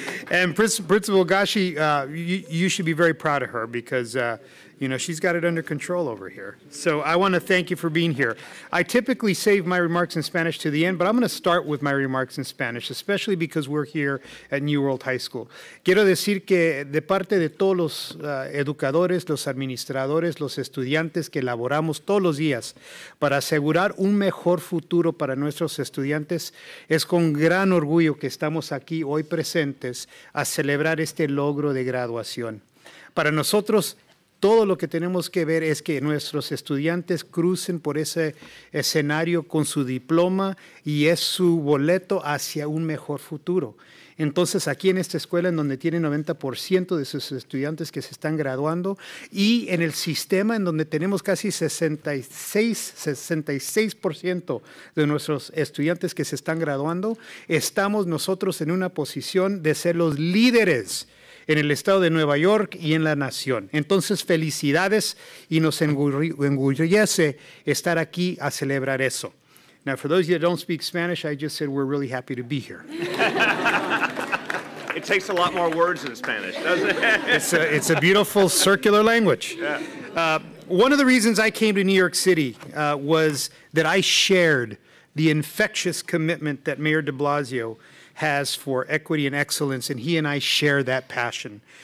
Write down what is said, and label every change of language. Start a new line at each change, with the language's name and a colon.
English: And Principal Gashi, you should be very proud of her because, you know, she's got it under control over here. So I want to thank you for being here. I typically save my remarks in Spanish to the end, but I'm going to start with my remarks in Spanish, especially because we're here at New World High School.
Spanish: Quiero decir que de parte de todos los educadores, los administradores, los estudiantes que laboramos todos los días para asegurar un mejor futuro para nuestros estudiantes, es con gran orgullo que estamos aquí hoy presentes a celebrar este logro de graduación. Para nosotros, todo lo que tenemos que ver es que nuestros estudiantes crucen por ese escenario con su diploma y es su boleto hacia un mejor futuro. Entonces, aquí en esta escuela, en donde tiene 90% de sus estudiantes que se están graduando, y en el sistema en donde tenemos casi 66% de nuestros estudiantes que se están graduando, estamos nosotros en una posición de ser los líderes en el estado de Nueva York y en la nación. Entonces, felicidades y nos enorgullece estar aquí a celebrar eso.
English: Now, for those of you that don't speak Spanish, I just said we're really happy to be here. It takes a lot more words in Spanish, doesn't it? It's a beautiful circular language. Yeah. One of the reasons I came to New York City was that I shared the infectious commitment that Mayor de Blasio has for equity and excellence, and he and I share that passion.